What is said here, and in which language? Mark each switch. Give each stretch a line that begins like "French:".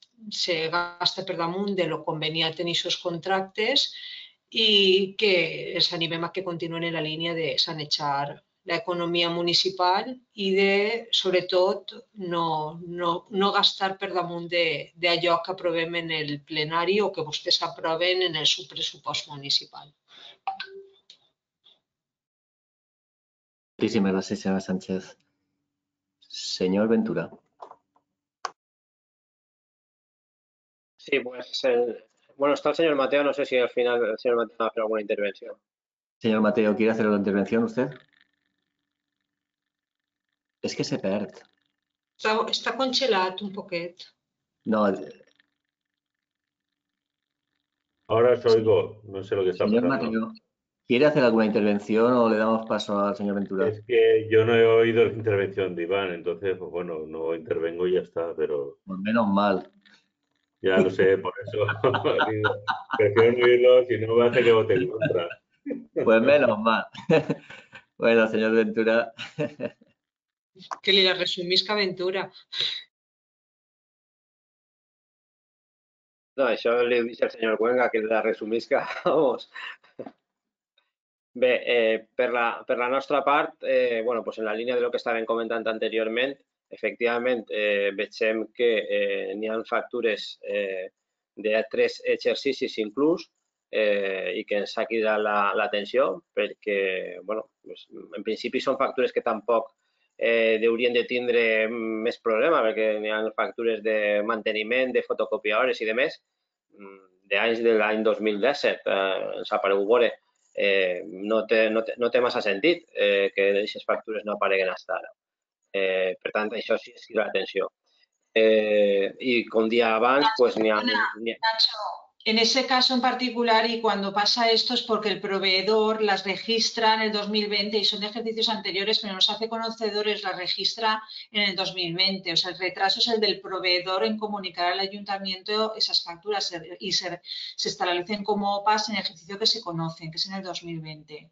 Catalan: se gasta per damunt de lo convenia tenir aquests contractes i que els animem a que continuïn en la línia de sanejar l'economia municipal i de, sobretot, no gastar per damunt d'allò que aprovem en el plenari o que vostès aproven en el subpressupost municipal.
Spanish: Muchísimas gracias, señora Sánchez. Señor Ventura. Sí, pues está el señor Mateo. No sé si al final el señor Mateo va a hacer alguna intervención. Señor Mateo, ¿quiere hacer la intervención usted? Es que se perde. Está congelado un poquito. No. Ahora os oigo, no sé lo que está pasando. Señor Mateo, ¿quiere hacer alguna intervención o le damos paso al señor Ventura? Es que yo no he oído la intervención de Iván, entonces, pues bueno, no intervengo y ya está, pero... Pues menos mal. Ya lo sé, por eso. Prefiero no oírlo, si no me hace que vote en contra. Pues menos mal. Bueno, señor Ventura. Que le la resumís que Ventura. No, eso le dice al señor Cuenca, que la resumisca, vamos.
Catalan: Bé, per la nostra part, bueno, pues en la línia de lo que estaven comentant anteriorment, efectivament, veiem que n'hi ha factures de tres exercicis inclús i que ens ha cridat l'atenció perquè, bueno, pues en principi són factures que tampoc haurien de tindre més problema perquè n'hi ha factures de manteniment, de fotocopiadores i de més d'anys de l'any 2017, ens ha aparegut a veure. No té massa sentit que aquestes factures no apareguin fins ara. Per tant, això sí que crida l'atenció. I com dia abans, pues, n'hi ha...
Spanish: En ese caso en particular, y cuando pasa esto, es porque el proveedor las registra en el 2020 y son de ejercicios anteriores, pero no se hace conocedores, las registra en el 2020. O sea, el retraso es el del proveedor en comunicar al ayuntamiento esas facturas y se establecen como OPAS en el ejercicio que se conocen, que es en el 2020.